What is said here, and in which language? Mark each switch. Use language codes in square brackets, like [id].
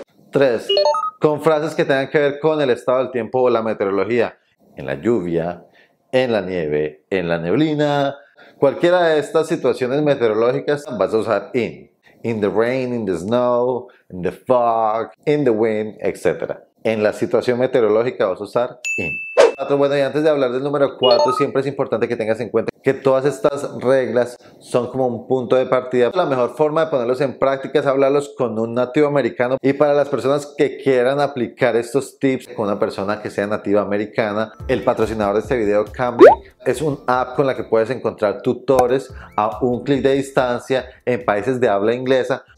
[es] Tres, con frases que tengan que ver con el estado del tiempo o la meteorología. En la lluvia, en la nieve, en la neblina. Cualquiera de estas situaciones meteorológicas vas a usar in. [en] In the rain, in the snow, in the fog, in the wind, etc. [es] En la situación meteorológica vas a usar in. Bueno, y antes de hablar del número 4, siempre es importante que tengas en cuenta que todas estas reglas son como un punto de partida. La mejor forma de ponerlos en práctica es hablarlos con un nativo americano. Y para las personas que quieran aplicar estos tips con una persona que sea nativa americana, el patrocinador de este video, Cambly, es un app con la que puedes encontrar tutores a un clic de distancia en países de habla inglesa.